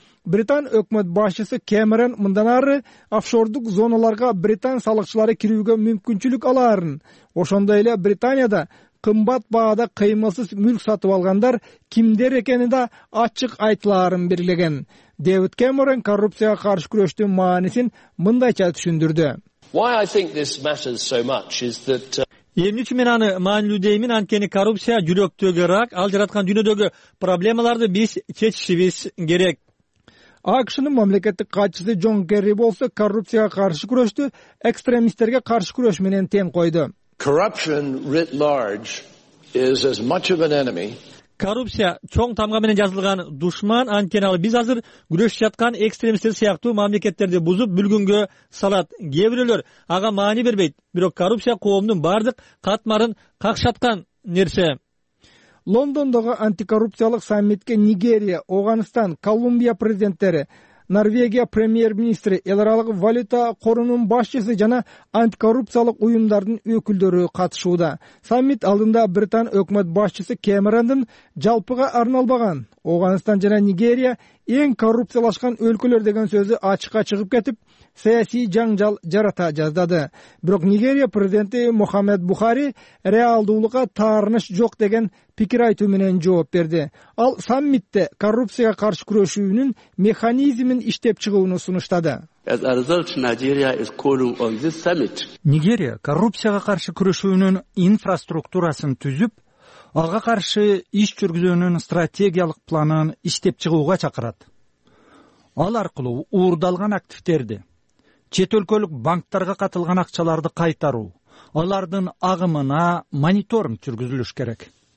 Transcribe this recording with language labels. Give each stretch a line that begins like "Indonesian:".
Kyrgyz: Британ өкмөт башчысы Кэмерон мындан ары офшордук зоналарга британ салыкчылары кирүүгө мүмкүнчүлүк аларын, ошондой эле Британияда кымбат баада кыймылсыз мүлк сатып алгандар кимдер экени да ачык айтыларын белгилеген. Дэвид Кэмерон коррупцияга каршы күрөштүн маанисин мындайча түшүндүрдү.
English: Why I think this matters so much is that
Kyrgyz: эмне үчүн мен аны маанилүү деймин? Анткени коррупция жүрөктөгү рак, ал жараткан дүйнөдөгү проблемаларды биз чечишибиз керек. АКШ'нын мамлекеттик катчысы Джон Керри болсо коррупцияга каршы күрөштү экстремисттерге каршы күрөш менен тең койду.
English: Corruption writ large is as much of an enemy.
Kyrgyz: Коррупция чоң тамга менен жазылган душман, анткени ал биз азыр күрөшүп жаткан экстремисттер сыяктуу мамлекеттерди бузуп бүлгүнгө салат. Кээ бирөөлөр ага маани бербейт, бирок коррупция коомдун бардык катмарын какшаткан нерсе. Лондондогу антикоррупциялык саммитке Нигерия, Ооганстан, Колумбия президенттери, Норвегия премьер-министри, эл аралык валюта корунун башчысы жана антикоррупциялык уюмдардын өкүлдөрү катышууда. Саммит алдында Британ өкмөт башчысы Кэмерондун жалпыга арналбаган Ооганстан жана Нигерия эң коррупциялашкан өлкөлөр деген сөзү ачыкка чыгып кетип, саясий жаңжал жарата жаздады. Бирок Нигерия президенти Мухаммед Бухари реалдуулукка таарыныш жок деген пикир айтуу менен жооп берди. Ал саммитте коррупцияга каршы күрөшүүнүн механизмин иштеп чыгууну сунуштады.
English: As a result, Nigeria is calling on this summit.
Kyrgyz: Нигерия коррупцияга каршы күрөшүүнүн инфраструктурасын түзүп, ага каршы иш жүргүзүүнүн стратегиялык планын иштеп чыгууга чакырат. Ал аркылуу уурдалган активдерди, чет өлкөлүк банктарга катылган акчаларды кайтаруу, алардын агымына мониторинг жүргүзүлүш керек.